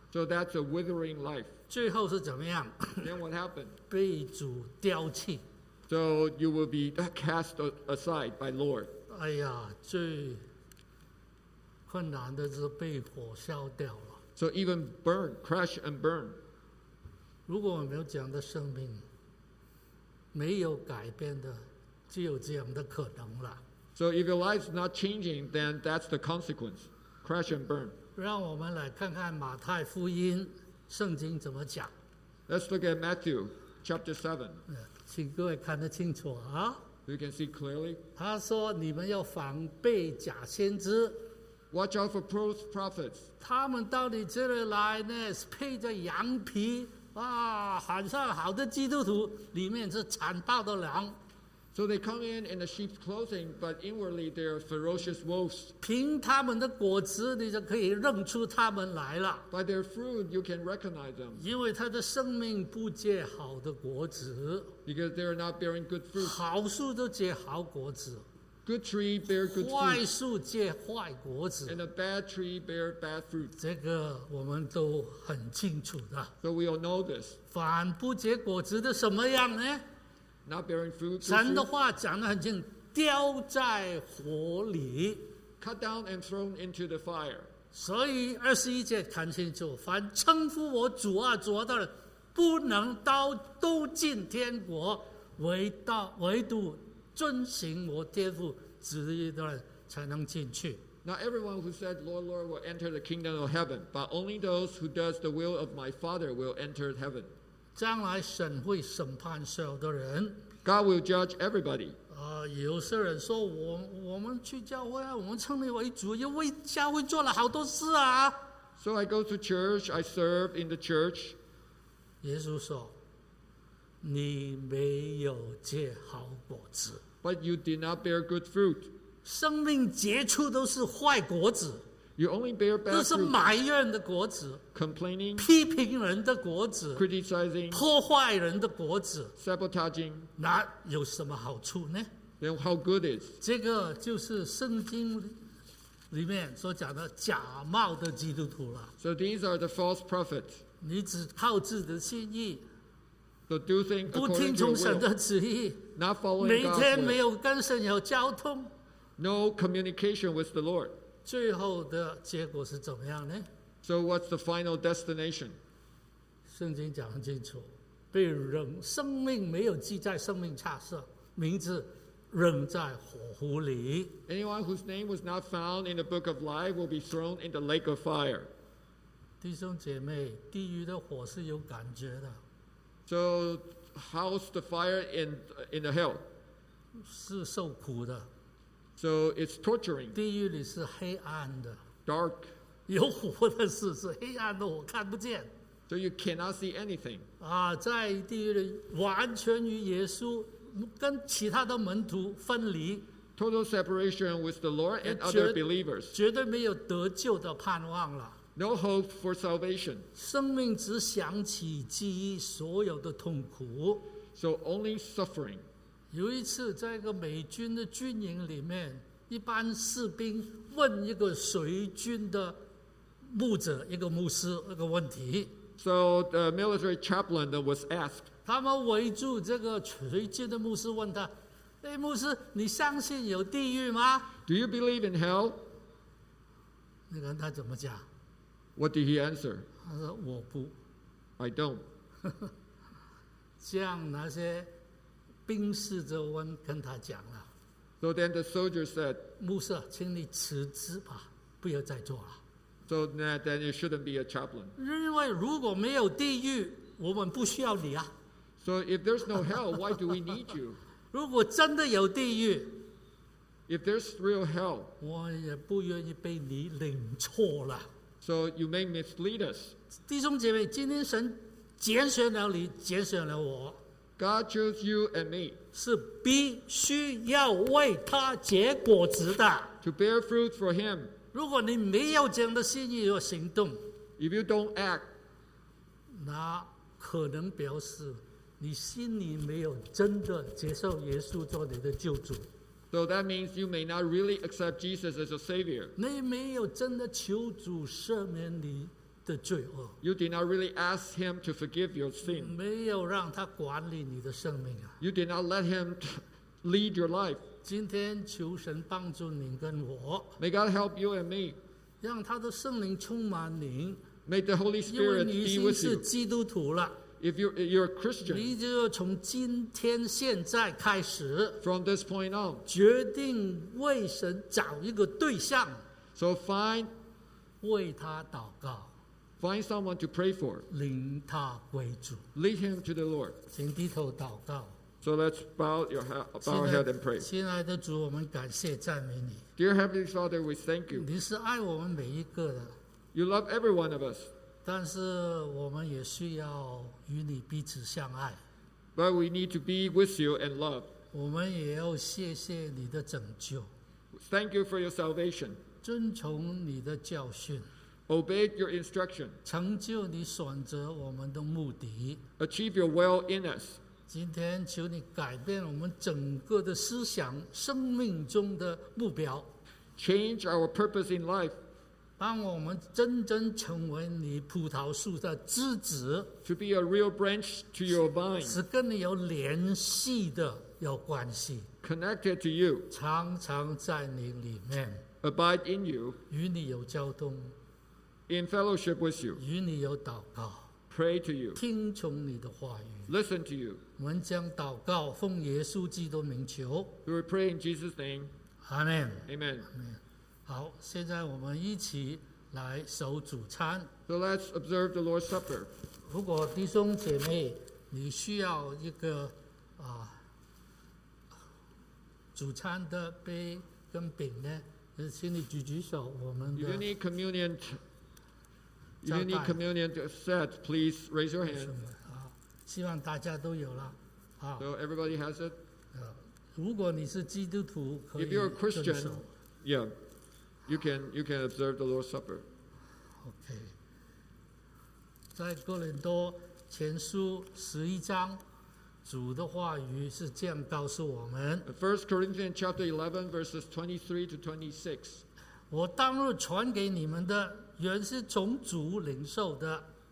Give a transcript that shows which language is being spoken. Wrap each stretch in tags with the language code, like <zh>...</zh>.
<en>So that's a withering life.</en> <zh>最后是怎么样</zh> <en>？Then what happened?</en> <zh>被主丢弃。</zh> <en>So you will be cast aside by Lord.</en> <zh>哎呀，最困难的是被火烧掉了。</zh> <en>So even burn, crash and burn.</en> <zh>如果我没有讲的生命没有改变的，只有这样的可能了。</zh> <en>So if your life's not changing, then that's the consequence. Crash and burn.</en> <zh>让我们来看看马太福音圣经怎么讲。</zh> <en>Let's look at Matthew chapter 7.</en> <zh>请各位看得清楚啊。</zh> <en>You can see clearly.</en> <zh>他说你们要防备假先知。</zh> <en>Watch out for false prophets.</en> <zh>他们到你这里来呢，披着羊皮，哇，喊上好的基督徒，里面是残暴的狼。</zh> <en>So they come in the sheep's clothing, but inwardly they are ferocious wolves.</en> <zh>凭他们的果子，你就可以认出他们来了。</zh> <en>By their fruit, you can recognize them.</en> <zh>因为他的生命不结好的果子。</zh> <en>Because they are not bearing good fruit.</en> <zh>好树都结好果子。</zh> <en>Good tree bear good fruit.</en> <zh>坏树结坏果子。</zh> <en>And a bad tree bear bad fruit.</en> <zh>这个我们都很清楚的。</zh> <en>So we all know this.</en> <zh>反不结果子的什么样呢？</zh> <en>Not bearing fruit.</en> <zh>神的话讲得很清楚，丢在火里。</zh> <en>Cut down and thrown into the fire.</en> <zh>所以二十一节看清楚，凡称呼我主啊主啊的人，不能到都进天国，唯独遵行我天父旨意的人才能进去。</zh> <en>Not everyone who said Lord, Lord will enter the kingdom of heaven, but only those who does the will of my Father will enter heaven.</en> <zh>将来神会审判所有的人。</zh> <en>God will judge everybody.</en> <zh>有些人说我们去教会啊，我们称你为主，又为教会做了好多事啊。</zh> <en>So I go to church, I serve in the church.</en> <zh>耶稣说，你没有结好果子。</zh> <en>But you did not bear good fruit.</en> <zh>生命结出都是坏果子。</zh> <en>You only bear bad fruit.</en> <zh>都是埋怨的果子。</zh> <en>Complaining.</en> <zh>批评人的果子。</zh> <en>Criticizing.</en> <zh>破坏人的果子。</zh> <en>Sabotaging.</en> <zh>那有什么好处呢？</zh> <en>Then how good is?</en> <zh>这个就是圣经里面所讲的假冒的基督徒了。</zh> <en>So these are the false prophets.</en> <zh>你只靠自己的心意。</zh> <en>So do things according to your will. Not following God's will.</en> <zh>每天没有跟神有交通。</zh> <en>No communication with the Lord.</en> <zh>最后的结果是怎么样呢？</zh> <en>So what's the final destination?</en> <zh>圣经讲很清楚，被扔，生命没有记在生命册上，名字扔在火湖里。</zh> <en>Anyone whose name was not found in the book of life will be thrown in the lake of fire.</en> <zh>弟兄姐妹，地狱的火是有感觉的。</zh> <en>So, how's the fire in the hell?</en> <zh>是受苦的。</zh> <en>So, it's torturing.</en> <zh>地狱里是黑暗的。</zh> <en>Dark.</en> <zh>有火的是黑暗的，我看不见。</zh> <en>So, you cannot see anything.</en> <zh>在地狱里完全与耶稣跟其他的门徒分离。</zh> <en>Total separation with the Lord and other believers.</en> <zh>绝对没有得救的盼望了。</zh> <en>No hope for salvation.</en> <zh>生命只想起记忆所有的痛苦。</zh> <en>So only suffering.</en> <zh>有一次在一个美军的军营里面，一般士兵问一个随军的牧者，一个牧师，一个问题。</zh> <en>So the military chaplain was asked.</en> <zh>他们围住这个随军的牧师问他，哎，牧师，你相信有地狱吗？</zh> <en>Do you believe in hell?</en> <zh>那个人他怎么讲？</zh> <en>What did he answer?</en> <zh>他说我不。</zh> <en>I don't.</en> <zh>这样那些兵士就问跟他讲了。</zh> <en>So then the soldier said,</en> <zh>牧师，请你辞职吧，不要再做了。</zh> <en>So then you shouldn't be a chaplain.</en> <zh>因为如果没有地狱，我们不需要你啊。</zh> <en>So if there's no hell, why do we need you?</en> <zh>如果真的有地狱，</zh> <en>if there's real hell,</en> <zh>我也不愿意被你领错了。</zh> <en>So you may mislead us.</en> <zh>弟兄姐妹，今天神拣选了你，拣选了我。</zh> <en>God chose you and me.</en> <zh>是必须要为他结果子的。</zh> <en>To bear fruit for him.</en> <zh>如果你没有这样的心意和行动，</zh> <en>If you don't act,</en> <zh>那可能表示你心里没有真的接受耶稣做你的救主。</zh> <en>So that means you may not really accept Jesus as a savior.</en> <zh>你没有真的求主赦免你的罪恶。</zh> <en>You did not really ask him to forgive your sin.</en> <zh>没有让他管理你的生命啊。</zh> <en>You did not let him lead your life.</en> <zh>今天求神帮助你跟我。</zh> <en>May God help you and me.</en> <zh>让他的圣灵充满你。</zh> <en>May the Holy Spirit be with you.</en> <zh>因为你已经是基督徒了。</zh> <en>If you're a Christian,</en> <zh>你就要从今天现在开始</zh> <en>from this point on,</en> <zh>决定为神找一个对象</zh> <en>so find,</en> <zh>为他祷告</zh> <en>find someone to pray for,</en> <zh>领他归主</zh> <en>lead him to the Lord,</en> <zh>请低头祷告</zh> <en>so let's bow our head and pray.</en> <zh>亲爱的主，我们感谢赞美你</zh> <en>Dear Heavenly Father, we thank you.</en> <zh>你是爱我们每一个的</zh> <en>You love every one of us.</en> <zh>但是我们也需要与你彼此相爱。</zh> <en>But we need to be with you and love.</en> <zh>我们也要谢谢你的拯救。</zh> <en>Thank you for your salvation.</en> <zh>遵从你的教训。</zh> <en>Obey your instruction.</en> <zh>成就你选择我们的目的。</zh> <en>Achieve your will in us.</en> <zh>今天求你改变我们整个的思想，生命中的目标。</zh> <en>Change our purpose in life.</en> <zh>帮我们真正成为你葡萄树的枝子。</zh> <en>To be a real branch to your vine.</en> <zh>是跟你有联系的，有关系。</zh> <en>Connected to you.</en> <zh>常常在你里面。</zh> <en>Abide in you.</en> <zh>与你有交通。</zh> <en>In fellowship with you.</en> <zh>与你有祷告。</zh> <en>Pray to you.</en> <zh>听从你的话语。</zh> <en>Listen to you.</en> <zh>我们将祷告奉耶稣基督名求。</zh> <en>We pray in Jesus' name. Amen. Amen. Amen.</en> <zh>好，现在我们一起来守主餐。</zh> <en>So let's observe the Lord's Supper.</en> <zh>如果弟兄姐妹，你需要一个主餐的杯跟饼呢，请你举举手，我们的。</zh> <en>If you need communion, if you need communion set, please raise your hand.</en> <zh>希望大家都有了。</zh> <en>So everybody has it?</en> <zh>如果你是基督徒，可以。</zh> <en>If you're a Christian, yeah, you can observe the Lord's Supper. Okay.</en> <zh>在哥林多前书十一章，主的话语是这样告诉我们。</zh> <en>First Corinthians chapter 11 verses 23 to 26.</en> <zh>我当日传给你们的，原是从主领受的。</zh>